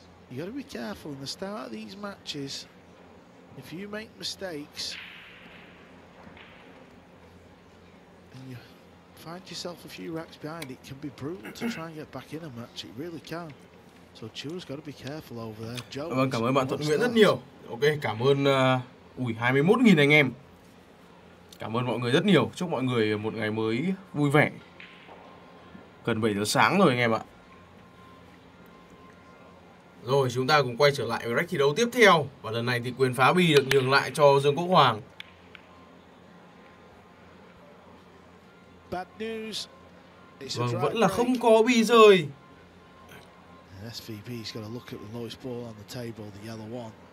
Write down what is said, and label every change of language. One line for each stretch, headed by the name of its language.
English: You got to be careful in the start of these matches. If you make mistakes and you find yourself a few racks behind, it can be brutal to try and get back in a match. It really can. So Chua's got to be careful over there. Joe,
Vietnamese: cảm ơn bạn Thuận Nguyễn rất nhiều. Ok, cảm ơn 21.000 anh em. Cảm ơn mọi người rất nhiều. Chúc mọi người một ngày mới vui vẻ. Gần 7 giờ sáng rồi anh em ạ. Rồi, chúng ta cùng quay trở lại với rack thi đấu tiếp theo. Và lần này thì quyền phá bi được nhường lại cho Dương Quốc Hoàng.
English: Bad news.
Vietnamese: Vâng, vẫn là không có bi rơi.
English: SVB's got to look at the lowest ball on the table, the yellow one.